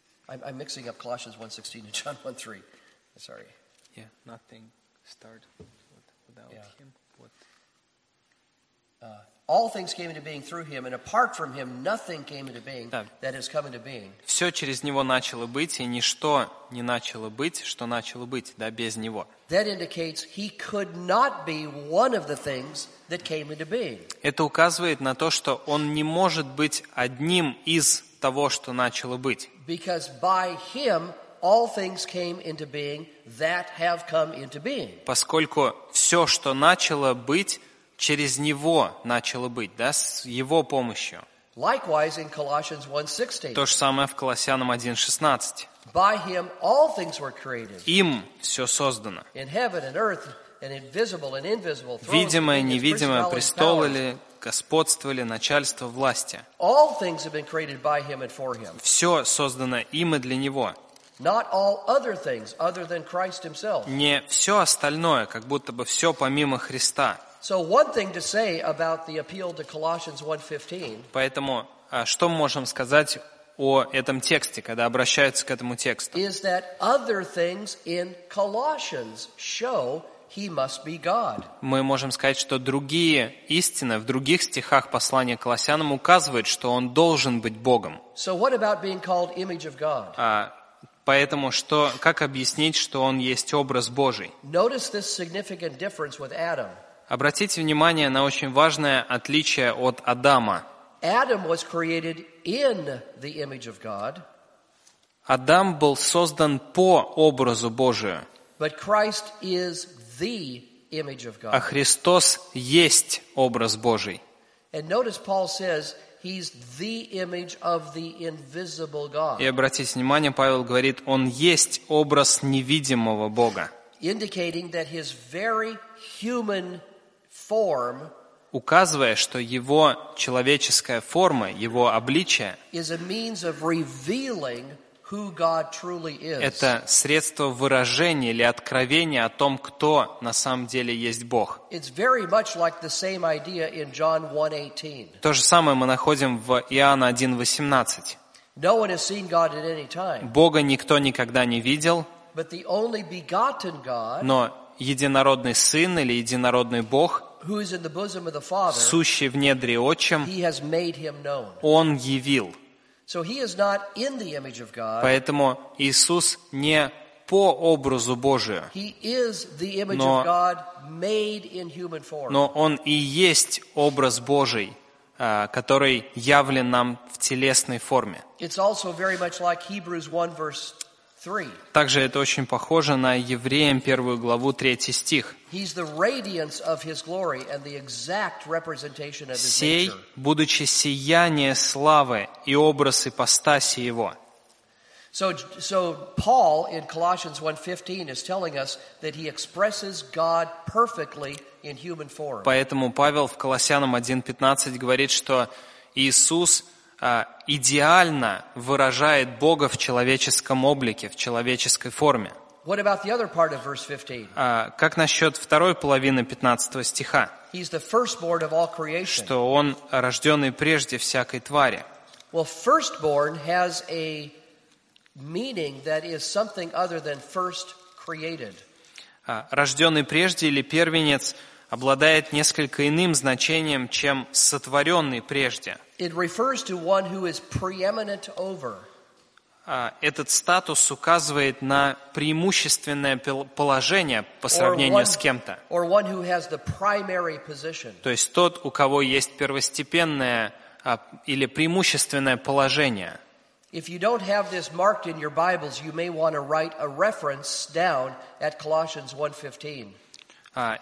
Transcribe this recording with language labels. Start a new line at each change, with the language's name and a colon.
English: I'm mixing up Colossians 1:16 and John 1:3. Sorry. Yeah, nothing start without Him. What? All things came into being through Him, and apart from Him, nothing came into being that has come into being.
Russian: Все через Него начало быть, и ничто не начало быть, что начало быть, да, без Него.
English: That indicates He could not be one of the things that came into being.
Russian: Это указывает на то, что Он не может быть одним из того, что начало быть.
English: Because by Him all things came into being that have come into being.
Russian: Поскольку все, что начало быть, через Него начало быть, да, с Его помощью.
English: Likewise, in Colossians 1:16.
Russian: То же самое в Колоссянам 1:16.
English: By Him all things were created.
Russian: Им все создано.
English: In heaven and earth, and invisible and invisible.
Russian: Видимое, невидимое, престолы, господствовали, начальство, власти.
English: All things have been created by Him and for Him.
Russian: Все создано им и для Него.
English: Not all other things, other than Christ Himself.
Russian: Не все остальное, как будто бы все помимо Христа.
English: So one thing to say about the appeal to Colossians 1:15.
Russian: Поэтому что мы можем сказать о этом тексте, когда обращаются к этому тексту?
English: Is that other things in Colossians show He must be God?
Russian: Мы можем сказать, что другие истины в других стихах послания к Колоссянам указывают, что Он должен быть Богом.
English: So what about being called image of God?
Russian: Поэтому что, как объяснить, что Он есть образ Божий?
English: Notice this significant difference with Adam.
Russian: Обратите внимание на очень важное отличие от Адама.
English: Adam was created in the image of God.
Russian: Адам был создан по образу Божию.
English: But Christ is the image of God.
Russian: А Христос есть образ Божий.
English: And notice Paul says he's the image of the invisible God.
Russian: И обратите внимание, Павел говорит, он есть образ невидимого Бога.
English: Indicating that his very human form,
Russian: указывая, что его человеческая форма, его обличие,
English: is a means of revealing who God truly is.
Russian: Это средство выражения или откровения о том, кто на самом деле есть Бог.
English: It's very much like the same idea in John 1:18.
Russian: То же самое мы находим в Иоанна 1:18.
English: No one has seen God at any time.
Russian: Бога никто никогда не видел.
English: But the only begotten God,
Russian: но единородный Сын или единородный Бог,
English: who is in the bosom of the Father,
Russian: сущий в недре Отчим,
English: he has made him known.
Russian: Он явил.
English: So he is not in the image of God.
Russian: Поэтому Иисус не по образу Божию.
English: He is the image of God made in human form.
Russian: Но он и есть образ Божий, который явлен нам в телесной форме.
English: It's also very much like Hebrews 1 verse 3.
Russian: Также это очень похоже на Евреям 1 главу 3 стих.
English: He's the radiance of his glory and the exact representation of his nature.
Russian: Сей, будучи сияние славы и образ ипостаси его.
English: So Paul in Colossians 1:15 is telling us that he expresses God perfectly in human form.
Russian: Поэтому Павел в Колоссянам 1:15 говорит, что Иисус идеально выражает Бога в человеческом облике, в человеческой форме.
English: What about the other part of verse 15?
Russian: Как насчет второй половины 15 стиха?
English: He's the firstborn of all creation.
Russian: Что он рожденный прежде всякой твари.
English: Well, firstborn has a meaning that is something other than first created.
Russian: Рожденный прежде или первенец обладает несколько иным значением, чем сотворенный прежде.
English: It refers to one who is preeminent over.
Russian: Этот статус указывает на преимущественное положение по сравнению с кем-то.
English: Or one who has the primary position.
Russian: То есть тот, у кого есть первостепенное или преимущественное положение.
English: If you don't have this marked in your Bibles, you may want to write a reference down at Colossians 1:15.